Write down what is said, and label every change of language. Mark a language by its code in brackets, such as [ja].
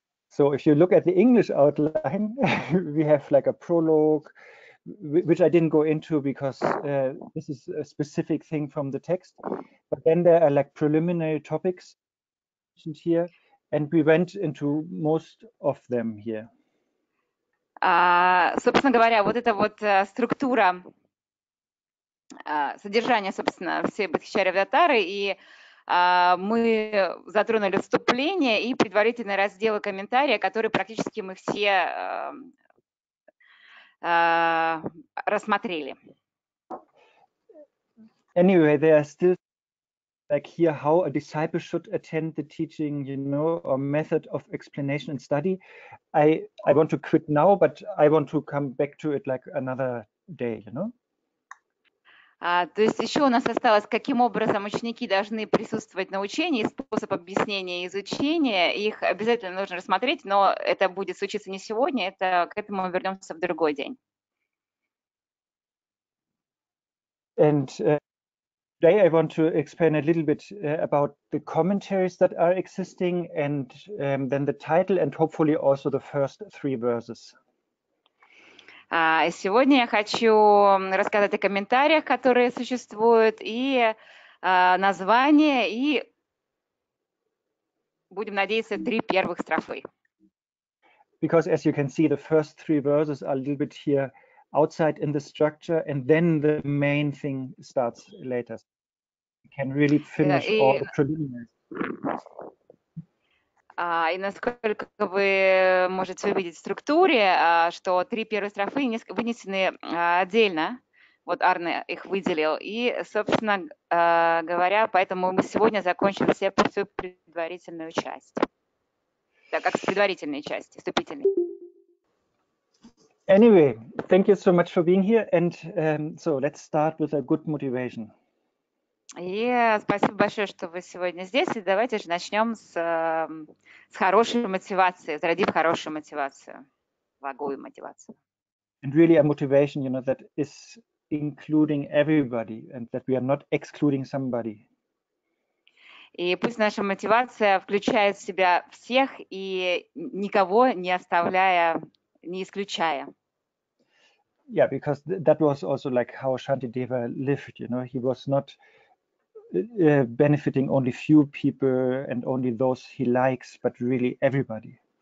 [en] So if you look at the English outline, we have like a prologue, which I didn't go into because this is a specific thing from the text. But then there are like preliminary topics mentioned here, and we went into most of them here. [ru] Собственно говоря, вот эта вот структура содержания, собственно, всей Бхатхичари Аватары, и мы затронули вступление и предварительные разделы комментария, которые практически мы все рассмотрели. [en] Anyway, there are still like here how a disciple should attend the teaching, you know, or method of explanation and study. I want to quit now, but I want to come back to it like another day, you know. [ru] То есть еще у нас осталось, каким образом ученики должны присутствовать на учении, способ объяснения и изучения. Их обязательно нужно рассмотреть, но это будет случиться не сегодня, это к этому мы вернемся в другой день. [en] And today I want to explain a little bit about the commentaries that are existing and then the title and hopefully also the first three verses. [ru] Сегодня я хочу рассказать о комментариях, которые существуют, и название, и будем надеяться, три первых строфы. [en] Because as you can see, the first three verses are a little bit here outside in the structure, and then the main thing starts later. Can really finish all the preliminaries. [ru] И насколько вы можете увидеть в структуре, что три первые строфы вынесены отдельно, вот Арне их выделил, и, собственно говоря, поэтому мы сегодня закончим все всю предварительную часть, так как с предварительной части, вступительной. [en] Anyway, thank you so much for being here, and so let's start with a good motivation. [ru] Спасибо большое, что вы сегодня здесь, и давайте же начнем с хорошей мотивации, зародив хорошую мотивацию, благую мотивацию. [en] And really a motivation, you know, that is including everybody and that we are not excluding somebody. [ru] И пусть наша мотивация включает в себя всех и никого не оставляя, не исключая. [en] Yeah, because that was also like how Shantideva lived, you know, he was not benefiting only few people and only those he likes, but really everybody.